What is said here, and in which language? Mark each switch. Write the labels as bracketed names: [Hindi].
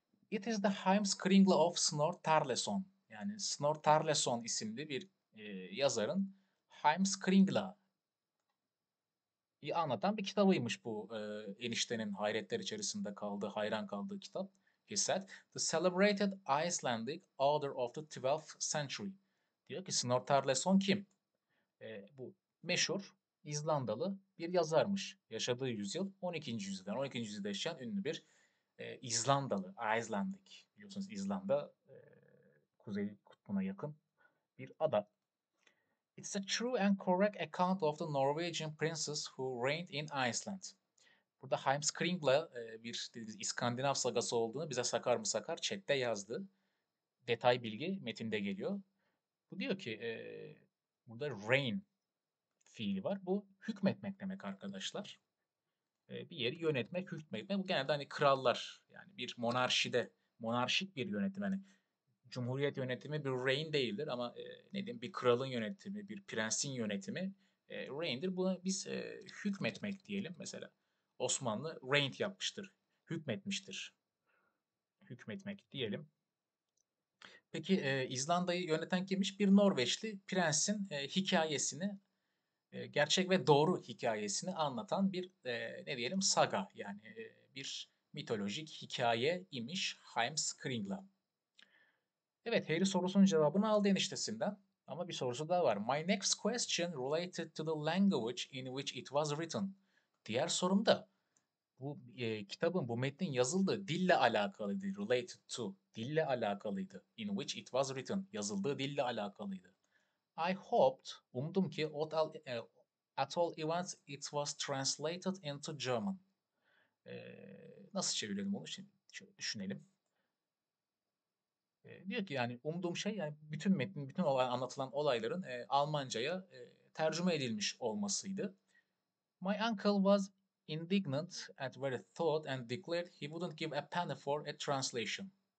[English] It is the Heimskringla of Snorre Turleson. [Turkish] Yani Snorre Turleson isimli bir yazarın Heimskringla'yı anlatan bir kitabıymış bu, eniştenin hayretler içerisinde kaldığı, hayran kaldığı kitap. [English] He said, "The celebrated Icelandic author of the 12th century." [Turkish] Diyor ki Snorre Turleson kim? Bu meşhur İzlandalı bir yazarmış. Yaşadığı yüzyıl 12. yüzyıldan. 12. yüzyılda yaşayan ünlü bir İzlandalı. Icelandic. Biliyorsunuz İzlanda Kuzey Kutbu'na yakın bir ada. [English] It's a true and correct account of the Norwegian princes who reigned in Iceland. [Turkish] Burada Heimskringla bir dediğimiz İskandinav sagası olduğunu bize Sakar mı Sakar chatte yazdı. Detay bilgi metinde geliyor. Bu diyor ki burada reign fiili var. Bu hükmetmek demek arkadaşlar. Bir yeri yönetmek, hükmetmek. Bu genelde hani krallar, yani bir monarşide, monarşik bir yönetim. Yani cumhuriyet yönetimi bir reign değildir ama ne diyeyim, bir kralın yönetimi, bir prensin yönetimi reign'dir. Buna biz hükmetmek diyelim. Mesela Osmanlı reign yapmıştır, hükmetmiştir. Hükmetmek diyelim. Peki İzlanda'yı yöneten kimmiş? Bir Norveçli prensin hikayesini, gerçek ve doğru hikayesini anlatan bir ne diyelim, saga, yani bir mitolojik hikaye imiş Heimskringla. Evet, Harry sorusunun cevabını aldı eniştesinden ama bir sorusu daha var. [English] My next question related to the language in which it was written. [Turkish] Diğer sorum da bu kitabın, bu metnin yazıldığı dille alakalıydı. [English] Related to [Turkish] dille alakalıydı. [English] In which it was written. [Turkish] Yazıldığı dille alakalıydı. [English] I hoped, [Turkish] umdum ki [English] at all events it was translated into German. [Turkish] Nasıl çevirelim onu şimdi? Şöyle düşünelim. Diyor ki yani umduğum şey, yani bütün metnin, bütün olay, anlatılan olayların Almanca'ya tercüme edilmiş olmasıydı. [English] My uncle was indignant at what he thought and declared he wouldn't give a penny for a translation.